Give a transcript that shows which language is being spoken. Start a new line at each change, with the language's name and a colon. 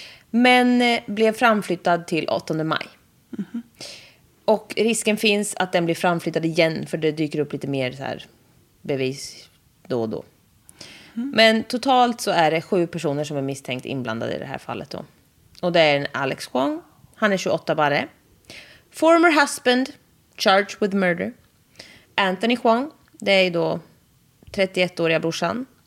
Swedish: Men blev framflyttad till 8 maj. Mm. Och risken finns att den blir framflyttad igen. För det dyker upp lite mer så här... bevis då och då. Mm. Men totalt så är det 7 personer som är misstänkt inblandade i det här fallet då. Och det är Alex Kwong. Han är 28 bara.
English: Former husband, charged with murder.
Swedish: Anthony Kwong, det är då 31-åriga brorsan.